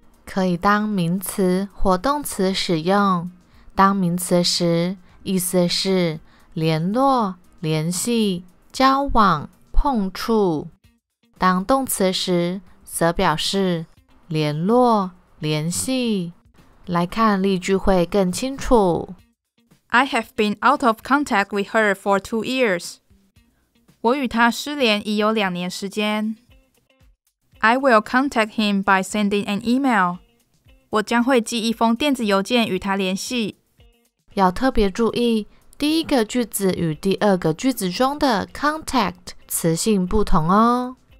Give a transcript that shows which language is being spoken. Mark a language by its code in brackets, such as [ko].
[zh] 可以当名词或动词使用，当名词时意思是联络、联系、交往、碰触，当动词时则表示联络、联系。来看例句会更清楚。 [en] I have been out of contact with her for 2 years. [zh] 我与她失联已有两年时间。 [en] I will contact him by sending an email. [zh] 我将会寄一封电子邮件与她联系。要特别注意第一个句子与第二个句子中的 contact 词性不同哦。